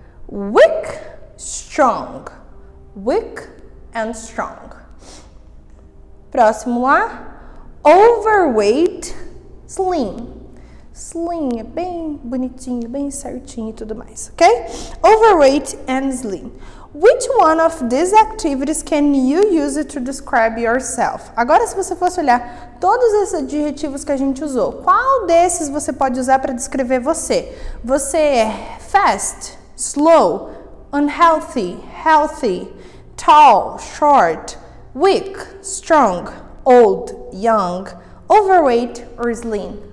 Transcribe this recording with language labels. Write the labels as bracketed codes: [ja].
[en] Weak, strong. Weak and strong. [pt] Próximo lá. [en] Overweight, slim. [pt] Slim, é bem bonitinho, bem certinho e tudo mais, ok? [en] Overweight and slim. Which one of these activities can you use to describe yourself? [pt] Agora, se você fosse olhar todos esses adjetivos que a gente usou, qual desses você pode usar para descrever você? Você é [en] fast, slow, unhealthy, healthy, tall, short, weak, strong, old, young, overweight or slim?